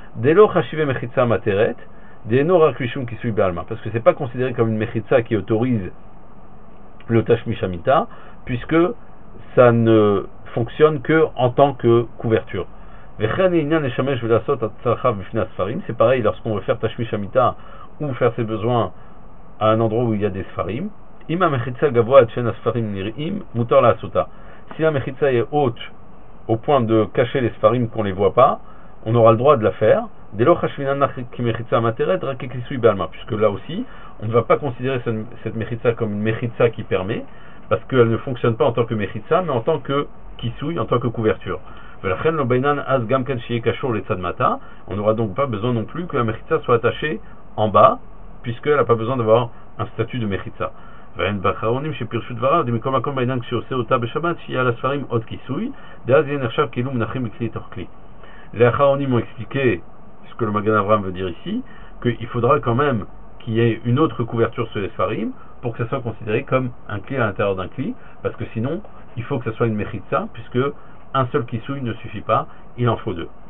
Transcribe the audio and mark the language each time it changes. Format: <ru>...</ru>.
<he>Delo chashive mechitza materet</he> <fr>parce que c'est pas considéré comme une mechitza qui autorise le Tashmi Shamita, puisque ça ne fonctionne que en tant que couverture. C'est pareil lorsqu'on veut faire Tashmi Shamita ou faire ses besoins à un endroit où il y a des sfarim,</fr> <he>אם המחיצה גבוה עד שאין הספרים נראים, מותר לעשותה.</he> <fr>Si la mechitza est haute au point de cacher les sfarim qu'on ne les voit pas, on aura le droit de la faire. Dès lors,</fr> <he>chashvinan ki mechitza materet, rak kisui balma,</he> <fr>puisque là aussi, on ne va pas considérer cette mechitza comme une mechitza qui permet, parce qu'elle ne fonctionne pas en tant que mechitza, mais en tant que kisui, en tant que couverture.</fr> <he>Velachen lo bainan az gam ken shiye kashur le tzadmata,</he> <fr>on n'aura donc pas besoin non plus que la mechitza soit attachée en bas, puisqu'elle n'a pas besoin d'avoir un statut de mechitza.</fr> <he>ואין באחרונים שפרשו דבריו, מכל מקום בעינן כשעושה אותה בשבת, שיהיה על הספרים עוד כיסוי, ואז יהיה נחשב כאילו מנחים בכלי תוך כלי. לאחרונים הוא</he> <fr>expliqué, ce que le Magen Avraham veut dire ici, qu'il faudra quand même qu'il y ait une autre couverture sur les ספרים, pour que ça soit considéré comme un clé à l'intérieur d'un clé, parce que sinon, il faut que ça soit une mechitza, puisque un seul כיסוי ne suffit pas, il en faut deux.</fr>